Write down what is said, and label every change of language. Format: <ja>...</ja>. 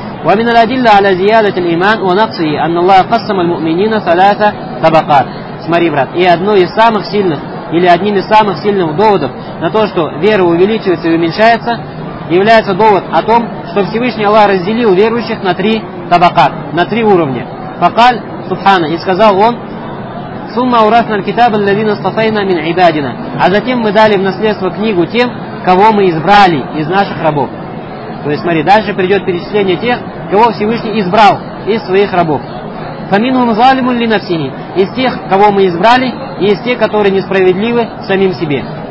<ar>وَمِنَ الْعَدِلَّ عَلَى زِيَادَةِ الْإِيمَانِ وَنَقْصِهِ أَنَّ اللَّهَ قَسَّمَ الْمُؤْمِنِينَ ثَلَاثَ طَبَقَاتٍ.</ar> <ru>Смотри, брат. И одно из самых сильных, или одним из самых сильных доводов на то, что вера увеличивается и уменьшается, является довод о том, что Всевышний Аллах разделил верующих на три табакат, на три уровня.</ru> <ar>فَقَالْ سُبْحَانَ.</ar> <ru>И сказал он:</ru> <ar>ثُمَّ أَوْرَثْنَا الْكِتَابَ الَّذِينَ اصْطَفَيْنَا مِنْ عِبَادِنَا.</ar> <ru>А затем мы дали в наследство книгу тем, кого мы избрали из наших рабов. То есть, смотри, дальше придет перечисление тех, кого Всевышний избрал из своих рабов.</ru> <ar>فَمِنْهُمْ ظَالِمٌ لِنَفْسِهِ.</ar> <ru>Из тех, кого мы избрали, и из тех, которые несправедливы самим себе.</ru>